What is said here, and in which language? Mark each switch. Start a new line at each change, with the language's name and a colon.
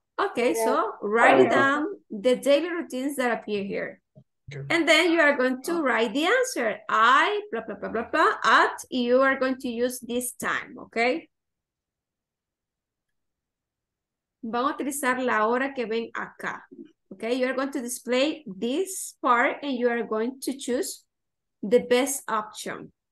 English: Okay, so write down the daily routines that appear here. And then you are going to write the answer. I, blah, blah, blah, blah, blah, at, you are going to use this time, okay?
Spanish: Van a utilizar la hora que ven acá.
English: Okay, you are going to display this part and you are going to choose the best option.